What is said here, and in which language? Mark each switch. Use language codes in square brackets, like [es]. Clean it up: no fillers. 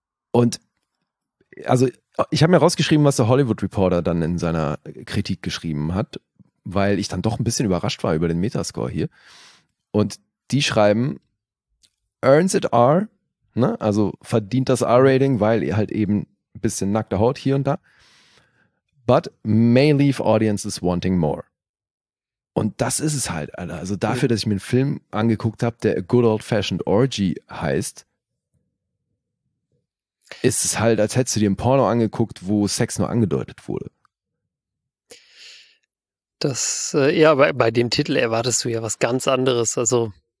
[de] Und also ich habe mir rausgeschrieben, was der Hollywood Reporter dann in seiner Kritik geschrieben hat, weil ich dann doch ein bisschen überrascht war über den Metascore hier. Und die schreiben, [en] earns it R, [de] ne? Also verdient das R-Rating, weil ihr halt eben ein bisschen nackte Haut hier und da. [en] But may leave audiences wanting more. [de] Und das ist es halt, Alter. Also dafür, dass ich mir einen Film angeguckt habe, der A Good Old Fashioned Orgy heißt, ist es halt, als hättest du dir ein Porno angeguckt, wo Sex nur angedeutet wurde. Das, ja, bei dem Titel erwartest du ja was ganz anderes, also.